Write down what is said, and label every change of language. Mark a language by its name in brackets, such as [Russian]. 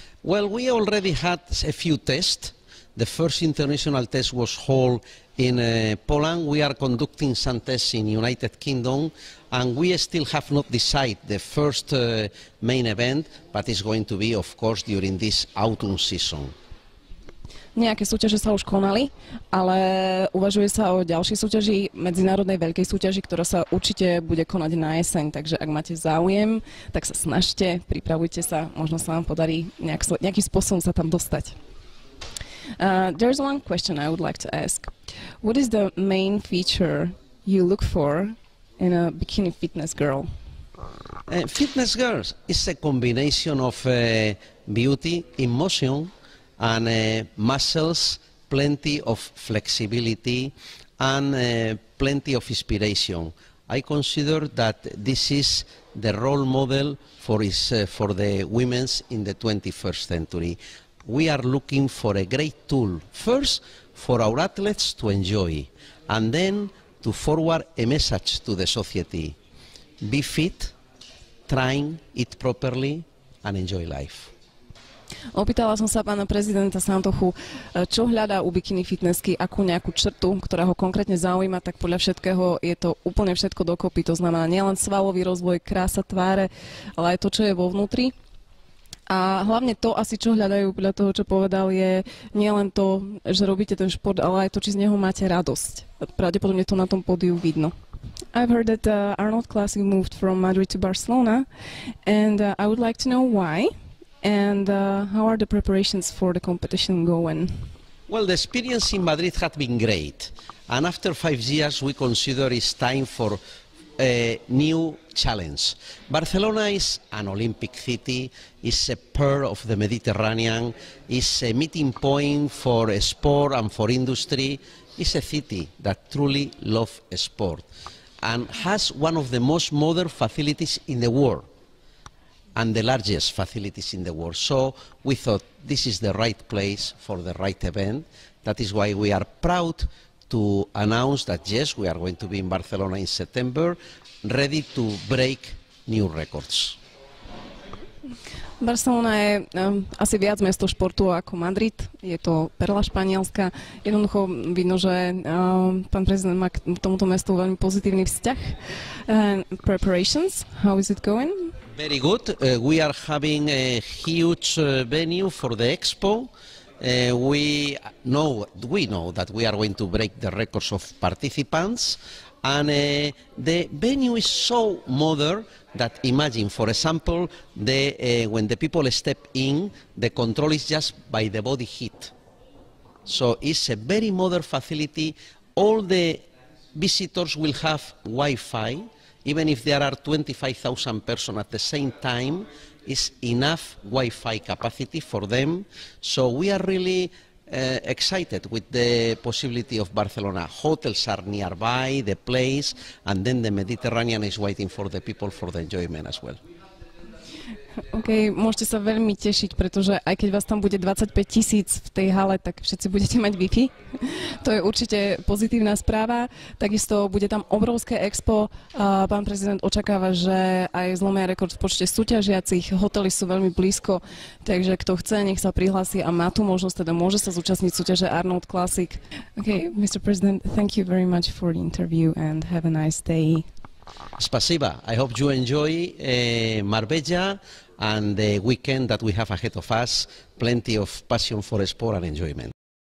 [English] Well, we already had a few tests. The first international test was held in Poland. We are conducting some tests in United Kingdom, and we still have not decided the first main event, but it's going to be, of course, during this autumn season. [Slovak] Nejaké súťaže sa už konali, ale uvažuje sa o ďalšej súťaži, medzinárodnej veľkej súťaži, ktorá sa určite bude konať na jeseň, takže ak máte záujem, tak sa snažte, pripravujte sa, možno sa vám podarí nejakým spôsobom sa tam dostať. [English] There's one question I would like to ask. What is the main feature you look for in a bikini fitness girl? Fitness girls is a combination of beauty, emotion, and muscles, plenty of flexibility, and plenty of inspiration. I consider that this is the role model for the women in the 21st century. We are looking for a great tool, first for our athletes to enjoy, and then to forward a message to the society. Be fit, train, eat properly, and enjoy life. [Slovak] Opýtala som sa pána prezidenta Santochu, čo hľadá u bikini fitnessky, akú nejakú črtu, ktorá ho konkrétne zaujíma, tak podľa všetkého je to úplne všetko dokopy, to znamená nielen svalový rozvoj, krása tváre, ale aj to, čo je vo vnútri. A hlavne to asi, čo hľadajú podľa toho, čo povedal, je nielen to, že robíte ten šport, ale aj to, či z neho máte radosť. Pravdepodobne to na tom pódiu vidno. [English] I've heard that Arnold Classic moved from Madrid to Barcelona and I would like to know why. And how are the preparations for the competition going? Well, the experience in Madrid had been great. And after 5 years, we consider it's time for a new challenge. Barcelona is an Olympic city, it's a pearl of the Mediterranean, it's a meeting point for sport and for industry. It's a city that truly loves sport and has one of the most modern facilities in the world. And the largest facilities in the world. So we thought this is the right place for the right event. That is why we are proud to announce that yes, we are going to be in Barcelona in September, ready to break new records. [Slovak] Barcelona je asi viac mesto športu ako Madrid. Je to perla španielska. Jednoducho vidno, že pán prezident má k tomuto mestu veľmi pozitívny vzťah. [English] Preparations, how is it going? Very good. We are having a huge venue for the expo. We know that we are going to break the records of participants. And the venue is so modern that imagine, for example, when the people step in, the control is just by the body heat. So it's a very modern facility. All the visitors will have Wi-Fi. Even if there are 25,000 persons at the same time, it's enough Wi-Fi capacity for them. So we are really excited with the possibility of Barcelona. Hotels are nearby, the place, and then the Mediterranean is waiting for the people for the enjoyment as well. [Slovak] OK, môžete sa veľmi tešiť, pretože aj keď vás tam bude 25 000 v tej hale, tak všetci budete mať Wi-Fi. To je určite pozitívna správa. Takisto bude tam obrovské expo. Pán prezident očakáva, že aj zlomia rekord v počte súťažiacich. Hotely sú veľmi blízko, takže kto chce, nech sa prihlási a má tú možnosť, teda môže sa zúčastniť súťaže Arnold Classic. [English] OK, Mr. President, thank you very much for the interview and have a nice day. [Russian] Spasiba. [English] I hope you enjoy Marbella and the weekend that we have ahead of us. Plenty of passion for sport and enjoyment.